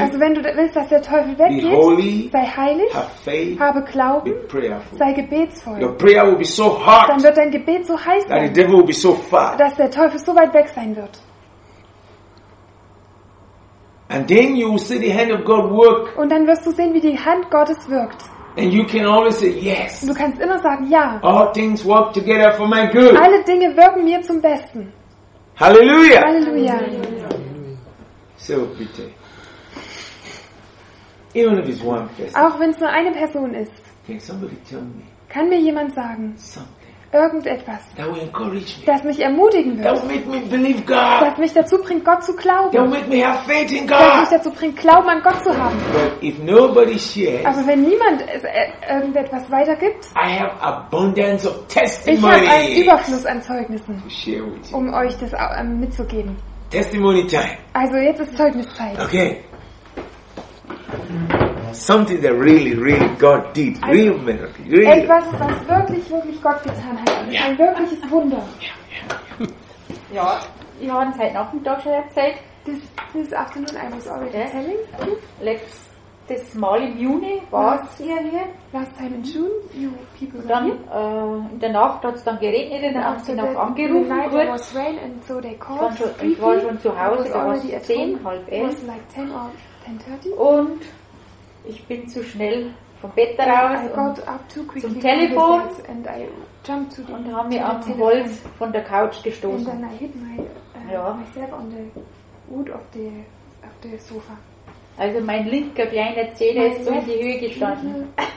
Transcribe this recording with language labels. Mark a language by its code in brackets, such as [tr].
[de] also wenn du willst, dass der Teufel weggeht, [en] be holy, [de] sei heilig, [en] have faith, [de] habe Glauben, [en] be prayerful, [de] sei gebetsvoll. [en] Your prayer will be so hot, [de] dann wird dein Gebet so heiß sein, [en] that the devil will be so far, [de] dass der Teufel so weit weg sein wird. [en] And then you will see the hand of God work. [de] Und dann wirst du sehen, wie die Hand Gottes wirkt. [en] And you can always say yes. [de] Du kannst immer sagen ja. [en] All things work together for my good. [de] Alle Dinge wirken mir zum Besten. [en] Hallelujah. [de] Halleluja. So bitte. [en] Even if it's one person. [de] Auch wenn es nur eine Person ist. [en] Can somebody tell me? [de] Kann mir jemand sagen? [en] Something. [de] Irgendetwas. [en] That will encourage me. [de] Das mich ermutigen wird. [en] That will make me believe God. [de] Das mich dazu bringt, Gott zu glauben. [en] That will make me have faith in God. [de] Das mich dazu bringt, Glauben an Gott zu haben. [en] But if nobody shares. [de] Aber wenn niemand irgendetwas weitergibt. [en] I have abundance of testimonies. [de] Ich habe einen Überfluss an Zeugnissen. [en] To share with you. [de] Um euch das mitzugeben. [en] Testimony time. [de] Also jetzt ist Zeugniszeit. [en] Okay. Something that really, really God did, also, real miracle, really. [de] Etwas, was wirklich, wirklich Gott getan hat, yeah. Ein wirkliches Wunder. [en] Yeah. [de] Ja, wir haben es halt noch mit Deutschland erzählt. [en] This afternoon I was already telling. [de] Das Mal im Juni war es hier, hier. [en] Last time in June, you people were [de] dann, [en] here. [de] In der Nacht hat es dann geregnet, in der Nacht sind auch angerufen. [en] The night was rain and so they called. [de] Ich war schon zu Hause, da war es 10, halb 11. [en] It was like 10 or 10:30. [de] Und ich bin zu schnell vom Bett raus und zum Telefon [en] and I to the, [de] und habe mich am Holz von der Couch gestoßen. [en] And then I hit my, myself on the wood of the sofa. [de] Also mein linker Bein der Zähne ist so in die Höhe gestanden.